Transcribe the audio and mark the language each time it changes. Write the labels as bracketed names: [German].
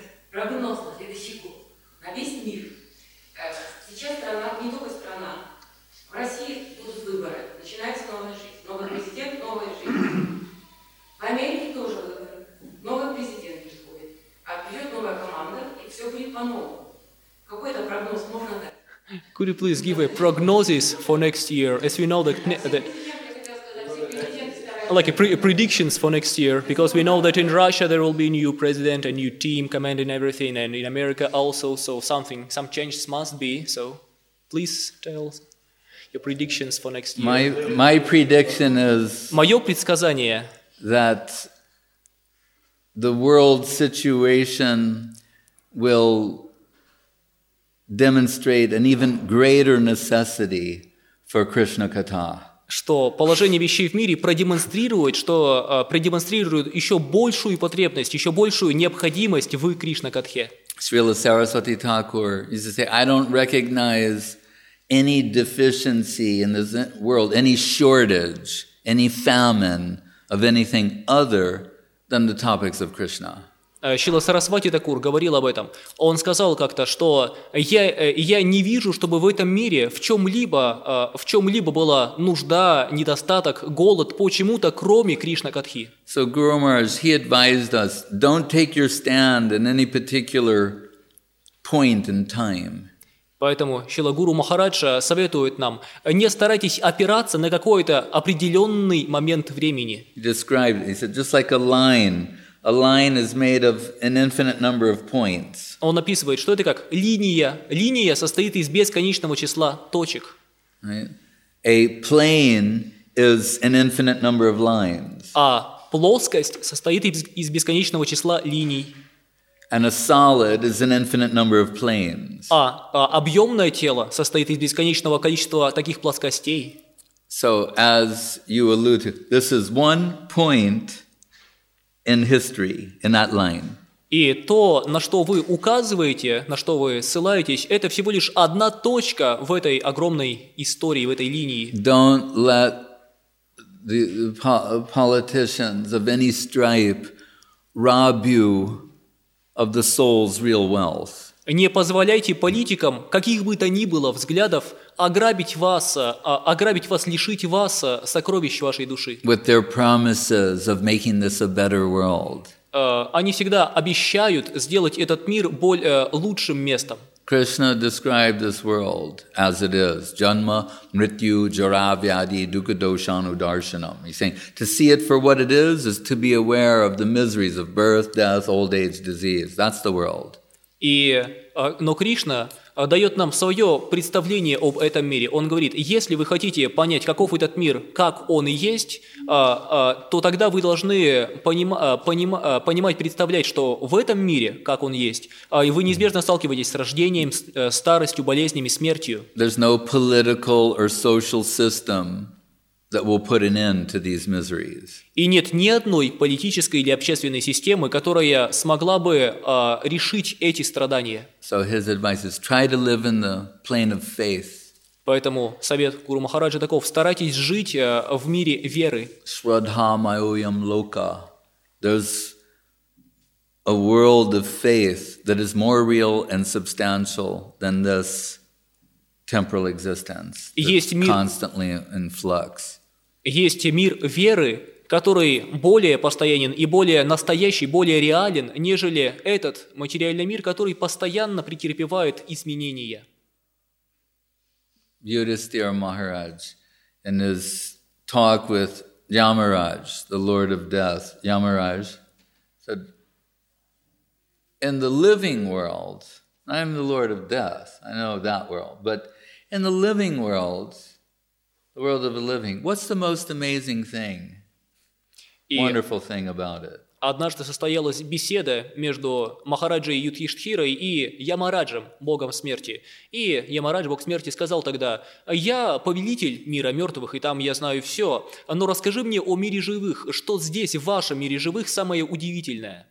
[Russian] Прогноз на следующий год, на весь мир. Сейчас страна, не только страна, в России будут выборы, начинается новая жизнь, новый президент, новая жизнь. В Америке тоже выборы, новый президент приходит, а придет новая команда, и все будет по-новому. Какой-то прогноз можно дать? [English] Could you please give a prognosis for next year, as we know that... [Russian] Я хотела сказать, все президенты стараются. [English] like predictions for next year, because we know that in Russia there will be a new president, a new team commanding everything, and in America also, so some changes must be. So please tell your predictions for next year. My prediction is that the world situation will demonstrate an even greater necessity for Krishna Katha. [Russian] Что положение вещей в мире продемонстрирует, что продемонстрирует еще большую потребность, еще большую необходимость в Кришна Катхе. [English] Srila Saraswati Thakur used to say, I don't recognize any deficiency in this world, any shortage, any famine of anything other than the topics of Krishna. [Russian] Шрила Сарасвати Такур говорил об этом. Он сказал как-то, что я не вижу, чтобы в этом мире в чем-либо была нужда, недостаток, голод почему-то, кроме Кришна Катхи. [English] So Guru Maharaj, he advised us, don't take your stand in any particular point in time. [Russian] Поэтому Шрила Гуру Махараджа советует нам, не старайтесь опираться на какой-то определенный момент времени. [English] Described, he said, just like a line. A line is made of an infinite number of points. [Russian] Он описывает, что это как линия. Линия состоит из бесконечного числа точек. [English] Right. A plane is an infinite number of lines. [Russian] А плоскость состоит из бесконечного числа линий. [English] And a solid is an infinite number of planes. [Russian] А объемное тело состоит из бесконечного количества таких плоскостей. [English] So as you allude to, this is one point in history, in that line. [Russian] И то, на что вы указываете, на что вы ссылаетесь, это всего лишь одна точка в этой огромной истории, в этой линии. [English] Don't let the politicians of any stripe rob you of the soul's real wealth. [Russian] Не позволяйте политикам, каких бы то ни было взглядов, ограбить вас, лишить вас сокровищ вашей души. [English] With their promises of making this a better world. [Russian] Они всегда обещают сделать этот мир лучшим местом. [English] Krishna described this world as it is. [Sanskrit] Janma, mrityu, jara, vyadi, dukkha, dosha, anudarshanam. [English] He's saying, to see it for what it is to be aware of the miseries of birth, death, old age, disease. That's the world. [Russian] Но Кришна дает нам свое представление об этом мире. Он говорит, если вы хотите понять, каков этот мир, как он и есть, то тогда вы должны понимать, представлять, что в этом мире, как он есть, и вы неизбежно сталкиваетесь с рождением, старостью, болезнями, смертью. [English] There's no political or social system that will put an end to these miseries. [Russian] И нет ни одной политической или общественной системы, которая смогла бы решить эти страдания. [English] So his advice is try to live in the plane of faith. [Russian] Поэтому совет Гуру Махараджа таков: старайтесь жить в мире веры. [Sanskrit] Shraddha mayoyam loka. [English] There's a world of faith that is more real and substantial than this temporal existence. [Russian] Есть мир [English] constantly in flux. [Russian] Есть мир веры, который более постоянен и более настоящий, более реален, нежели этот материальный мир, который постоянно претерпевает изменения. [English] Yudhisthira Maharaj in his talk with Yamaraj, the Lord of Death, Yamaraj said, in the living world, I'm the Lord of Death, I know that world, but in the living world, the world of the living. What's the most amazing thing, wonderful thing about it? [Russian] Однажды состоялась беседа между Махараджей Юдхиштхирой и Ямараджем, богом смерти. И Ямарадж, бог смерти, сказал тогда, «Я повелитель мира мертвых, и там я знаю все, но расскажи мне о мире живых, что здесь, в вашем мире живых, самое удивительное».